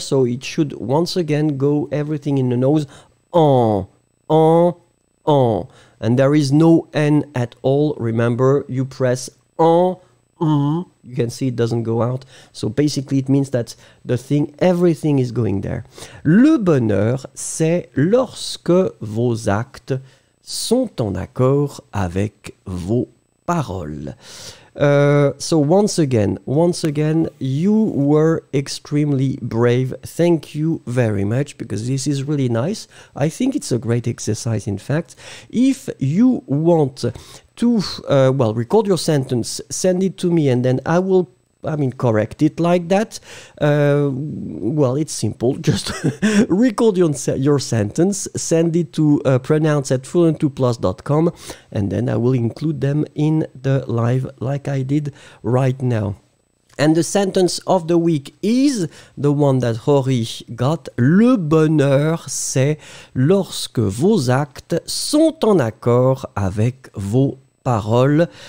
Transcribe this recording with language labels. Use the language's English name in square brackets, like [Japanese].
[English] So it should once again go everything in the nose. En, en, en. And there is no N at all. Remember, you press en, en. You can see it doesn't go out. So basically, it means that the thing, everything is going there. [French] Le bonheur, c'est lorsque vos actes sont en accord avec vos paroles. [English] So once again, you were extremely brave. Thank you very much, because this is really nice. I think it's a great exercise, in fact. If you want to, record your sentence, send it to me, and then I will, correct it like that. It's simple. Just record your sentence, send it to pronounce at fluent2plus.com, and then I will include them in the live like I did right now. And the sentence of the week is the one that Rory got. [French] Le bonheur, c'est lorsque vos actes sont en accord avec vos parole.